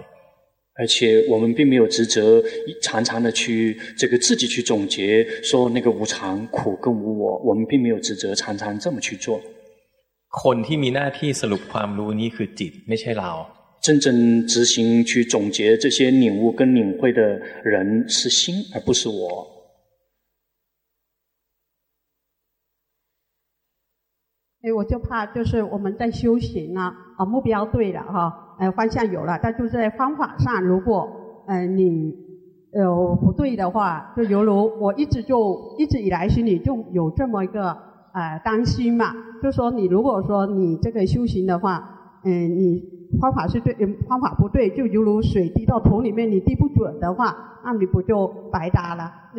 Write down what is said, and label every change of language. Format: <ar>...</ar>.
<zh>ๆ而且我们并没有职责常常的去这个自己去总结说那个无常苦跟无我我们并没有职责常常这么去做</zh> <th>คนที่มีหน้าที่สรุปความรู้นี้คือจิตไม่ใช่เรา</th> <zh>真正执行去总结这些领悟跟领会的人是心而不是我哎，我就怕就是我们在修行呢，啊，目标对了哈，方向有了，但就是在方法上，如果你不对的话，就犹如我一直以来心里就有这么一个担心嘛，就说你如果说你这个修行的话，你方法是对，方法不对，就犹如水滴到桶里面，你滴不准的话，那你不就白搭了？</zh>